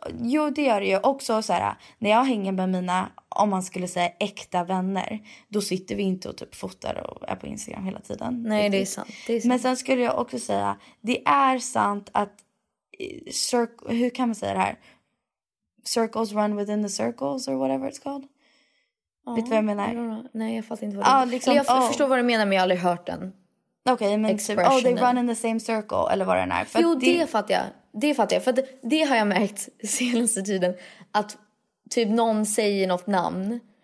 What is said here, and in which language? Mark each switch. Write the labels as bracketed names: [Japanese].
[Swedish] Jo, det gör det ju också så här, när jag hänger med mina, om man skulle säga äkta vänner, då sitter vi inte och typ fotar och är på Instagram hela tiden. Nej, riktigt. Det är sant. Det är sant. Men sen skulle jag också säga, det är sant att hur kan man säga det här? [English] Circles run within the circles or whatever it's called. [Swedish] Oh, vet du vad jag menar? Nej, jag fattar inte vad det är. Jag förstår vad du menar, men jag har aldrig hört den. Okej, okay, men typ, oh, they run in the same circle, eller vad den är. För jo, det fattar jag. Det fattar jag, för det har jag märkt senaste tiden, att typ någon säger något namn.